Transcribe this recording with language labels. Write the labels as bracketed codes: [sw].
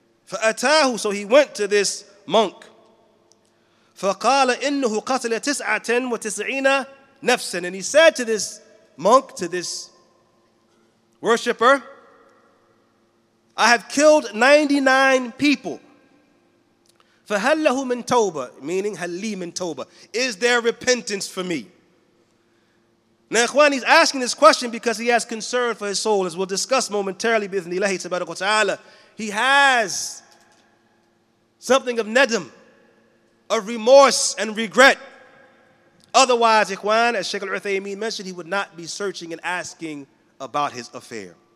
[ar] فَأَتَاهُ [en] So he went to this monk. [ar] فَقَالَ إِنَّهُ قَتَلَ تِسْعَةً وَتِسْعِينَ نَفْسًا [en] And he said to this monk, to this worshipper, I have killed 99 people. [ar] فَهَلْ لَهُ مِنْ تَوْبَ [en] Meaning, [ar] هَلْ لِي مِنْ تَوْبَ [en] Is there repentance for me? Now, Ikhwan, he's asking this question because he has concern for his soul, as we'll discuss momentarily, [ar] بِإِذْنِ اللَّهِ تَبَارَكُ وَتَعَالَى [en] He has something of nadam, of remorse and regret. Otherwise, Ikhwan, as Sheikh Al-Uthaymeen mentioned, he would not be searching and asking about his affair.